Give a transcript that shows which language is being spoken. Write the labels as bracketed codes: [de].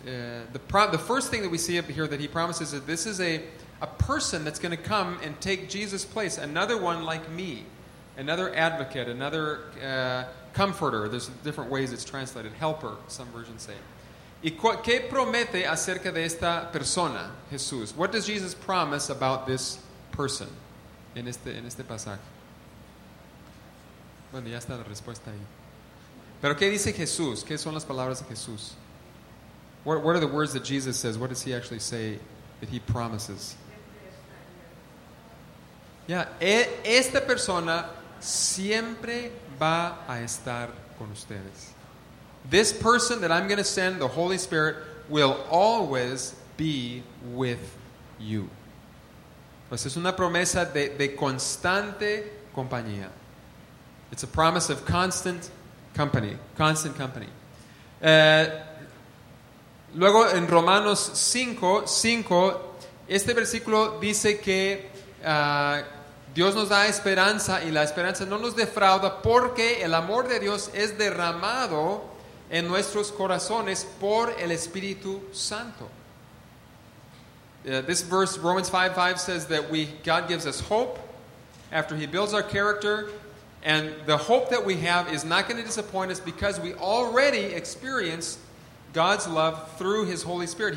[en] The first thing that we see up here that he promises is that this is a person that's going to come and take Jesus' place. Another one like me, another advocate, another comforter. There's different ways it's translated, helper, some versions say. [es] ¿Y qué promete acerca de esta persona, Jesús? [en] What does Jesus promise about this person [es] en este pasaje? Bueno, ya está la respuesta ahí. ¿Pero qué dice Jesús? ¿Qué son las palabras de Jesús? [en] What are the words that Jesus says? What does He actually say that He promises? [es] Ya, esta persona siempre va a estar con ustedes. [en] This person that I'm going to send, the Holy Spirit, will always be with you. [es] Pues es una promesa de constante compañía. [en] It's a promise of constant company. Constant company. [es] Luego en Romanos 5:5, este versículo dice que Dios nos da esperanza y la esperanza no nos defrauda porque el amor de Dios es derramado en nuestros corazones por el Espíritu Santo. [en] This verse, Romans 5:5, says that God gives us hope after He builds our character. And the hope that we have is not going to disappoint us because we already experience God's love through His Holy Spirit.